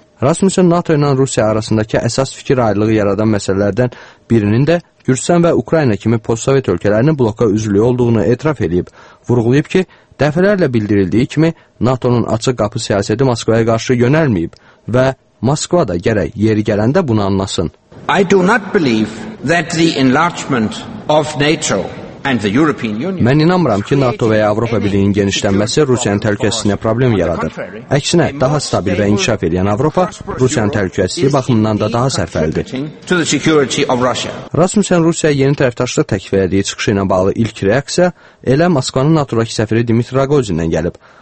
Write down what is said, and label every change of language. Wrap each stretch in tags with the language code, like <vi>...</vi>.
<az>Rasmussen NATO ilə Rusiya arasındakı əsas fikir ayrılığı yaradan məsələlərdən birinin də Gürcüstan və Ukrayna kimi postsovet ölkələrinin bloka üzvlüyü olduğunu etiraf edib. Vurğulayıb ki, dəfələrlə bildirildiyi kimi NATO-nun açıq qapı siyasəti Moskvaya qarşı yönəlməyib və Moskva da gərək yeri gələndə bunu anlasın.</az> <en>I do not believe that the enlargement of NATO and the European Union.</en> <az>Mən inanmıram ki, NATO və Avropa Birliyinin genişlənməsi Rusiyanın təhlükəsizliyinə problem yaradır. Əksinə, daha stabil və inkişaf edən Avropa Rusiyanın təhlükəsizliyi baxımından da daha sərfəlidir. Rasmussen Rusiya yeni tərəfdaşlıq təklif etdiyi çıxışı ilə bağlı ilk reaksiya elə Moskvanın NATO-dakı səfiri Dmitri Rogozindən gəlib.</az>